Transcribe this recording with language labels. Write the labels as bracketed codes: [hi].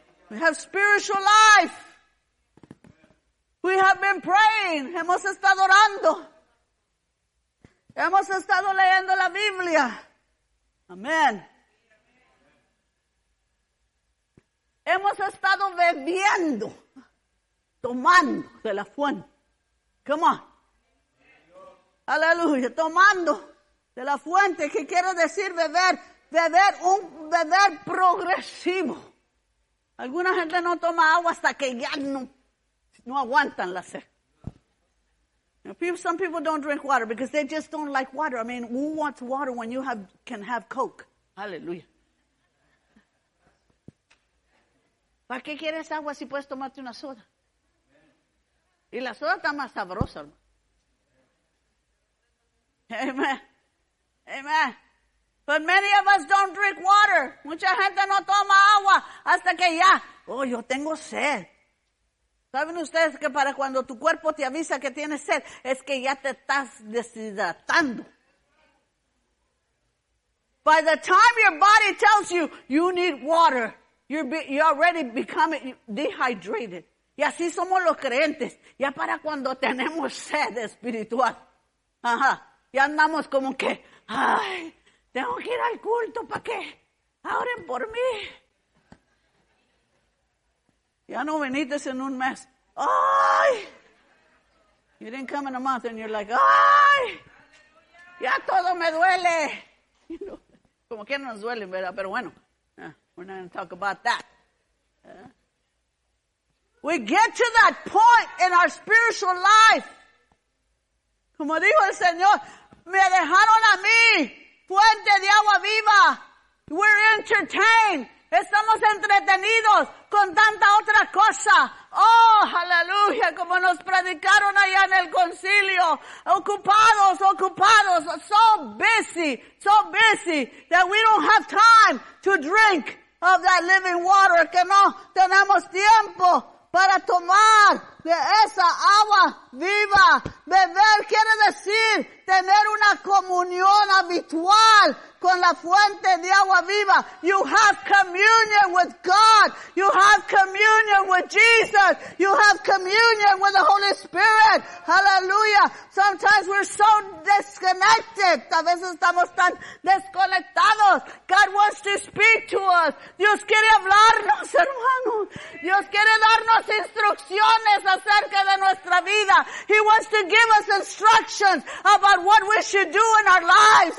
[en] We have spiritual life, we have been praying, [es] hemos estado orando, hemos estado leyendo la Biblia, amén, hemos estado bebiendo, tomando de la fuente. [en] Come on. [es] Aleluya. Tomando de la fuente. ¿Qué quiere decir beber? Beber, un beber progresivo. Alguna gente no toma agua hasta que ya no aguantan la sed. [en] Some people don't drink water because they just don't like water. I mean, who wants water when you can have Coke? [es] Aleluya. ¿Para qué quieres agua si puedes tomarte una soda? Y la soda está más sabrosa. [en] Amen. Amen. But many of us don't drink water. [es] Mucha gente no toma agua hasta que ya. Oh, yo tengo sed. ¿Saben ustedes que para cuando tu cuerpo te avisa que tienes sed, es que ya te estás deshidratando? [en] By the time your body tells you, you need water, you're already becoming dehydrated. [es] Y así somos los creyentes. Ya para cuando tenemos sed espiritual. Ajá. Ya andamos como que, ay, tengo que ir al culto para que oren por mí. Ya no viniste en un mes. Ay. [en] You didn't come in a month and you're like, ay. [es] Ya todo me duele. [en] You know? [es] Como que nos duelen, ¿verdad? Pero bueno, [en] we're not going to talk about that. We get to that point in our spiritual life. [es] Como dijo el Señor, me dejaron a mí, fuente de agua viva. [en] We're entertained. [es] Estamos entretenidos con tanta otra cosa. Oh, aleluya, como nos predicaron allá en el concilio. Ocupados, ocupados, [en] so busy, that we don't have time to drink of that living water. [es] Que no tenemos tiempo para tomar de esa agua viva. Beber quiere decir tener una comunión habitual con la fuente de agua viva. [en] You have communion with God. You have communion with Jesus. You have communion with the Holy Spirit. Hallelujah. Sometimes we're so disconnected. [es] A veces estamos tan desconectados. [en] God wants to speak to us. [es] Dios quiere hablarnos, hermano. Dios quiere darnos instrucciones acerca de nuestra vida. [en] He wants to give us instructions about what we should do in our lives.